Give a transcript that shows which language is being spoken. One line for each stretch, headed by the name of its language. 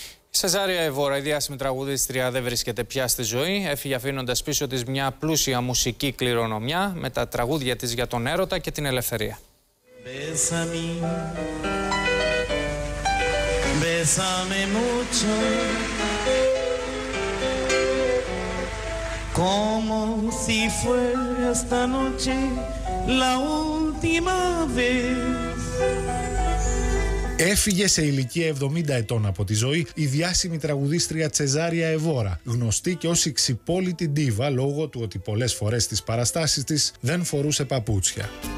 Greek: Σεζάρια Εβόρα, η διάσημη τραγουδίστρια, δεν βρίσκεται πια στη ζωή. Έφυγε αφήνοντας πίσω της μια πλούσια μουσική κληρονομιά με τα τραγούδια της για τον έρωτα και την ελευθερία.
Spanish: Bésame, bésame mucho, como si fuera esta noche la última vez.
Greek: Έφυγε σε ηλικία 70 ετών από τη ζωή η διάσημη τραγουδίστρια Τσεζάρια Εβόρα, γνωστή και ως ξυπόλυτη ντίβα λόγω του ότι πολλές φορές στις παραστάσεις της δεν φορούσε παπούτσια.